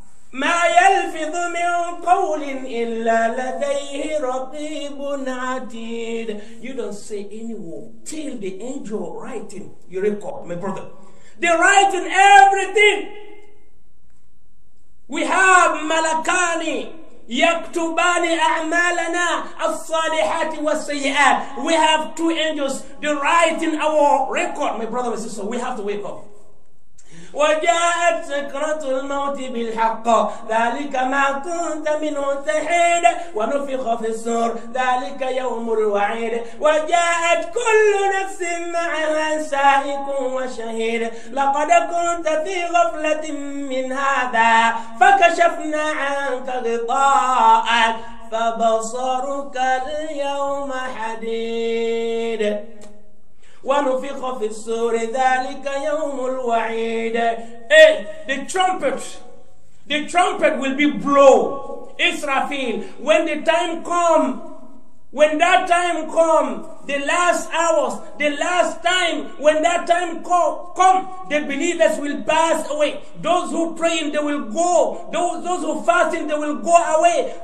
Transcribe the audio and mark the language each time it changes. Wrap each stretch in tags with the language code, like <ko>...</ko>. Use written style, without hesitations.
<ar>ما يلفظ من قول إلا لديه رقيب عتيد.</ar> <en>You don't say any word till the angel writing your record, my brother. They writing everything. We have</en> <ar>malakani yaktubani a'malana as-salihati was-sayyi'at.</ar> <en>We have two angels. They writing our record, my brother, my sister. We have to wake up.</en> <ar>وجاءت سكرة الموت بالحق ذلك ما كنت منه تحيد ونفخ في الصور ذلك يوم الوعيد وجاءت كل نفس معها سائق وشهيد لقد كنت في غفلة من هذا فكشفنا عنك غطاءك فبصرك اليوم حديد ونفخ في الصور ذلك يوم الوعيد.</ar> <en>Hey, the trumpet will be blow. Israfil, when that time come, the last hours, the last time, when that time come, the believers will pass away. Those who praying, they will go. Those who fasting, they will go away.</en>